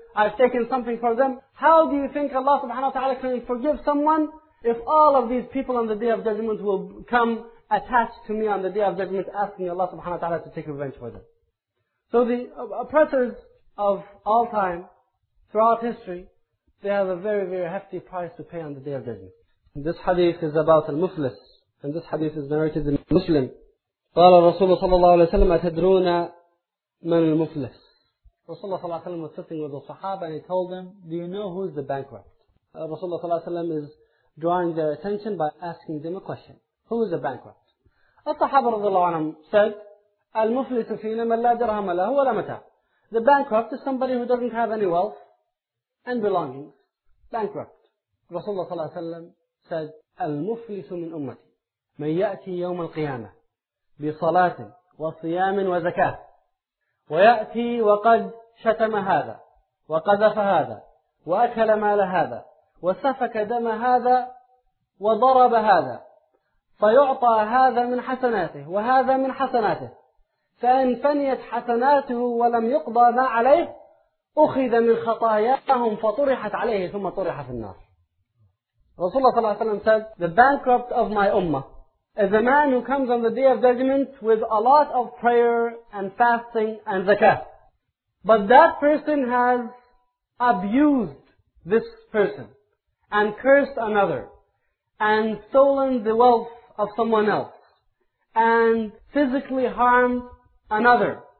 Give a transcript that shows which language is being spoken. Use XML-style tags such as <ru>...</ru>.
<en>I've taken something from them. How do you think Allah subhanahu wa ta'ala can forgive someone if all of these people on the Day of Judgment will come attached to me on the Day of Judgment asking Allah subhanahu wa ta'ala to take revenge for them? So the oppressors of all time, throughout history, they have a very, very hefty price to pay on the Day of Judgment. This hadith is about al-Muflis, and this hadith is narrated in Muslim.</en> <ar>قال الرسول صلى الله عليه وسلم أتدرون من المفلس.</ar> <en>Rasulullah صلى الله عليه وسلم was sitting with the Sahaba and he told them, do you know who is the bankrupt? Rasulullah صلى الله عليه وسلم is drawing their attention by asking them a question. Who is the bankrupt?</en> <ar>الصحابة رضي الله عنهم said, المفلس فينا من لا درهم له ولا متاع.</ar> <en>The bankrupt is somebody who doesn't have any wealth and belongings. Bankrupt.</en> <ar>Rasulullah صلى الله عليه وسلم said, المفلس من أمتي من يأتي يوم القيامة بصلاة وصيام وزكاة ويأتي وقد شتم هذا وقذف هذا وأكل مال هذا وسفك دم هذا وضرب هذا فيعطى هذا من حسناته وهذا من حسناته فإن فنيت حسناته ولم يقضى ما عليه أخذ من خطاياهم فطرحت عليه ثم طرح في النار.</ar> <en>Rasulullah sallallahu alayhi wa sallam said, the bankrupt of my ummah is a man who comes on the Day of Judgment with a lot of prayer and fasting and zakah. But that person has abused this person and cursed another and stolen the wealth of someone else and physically harmed another.</en>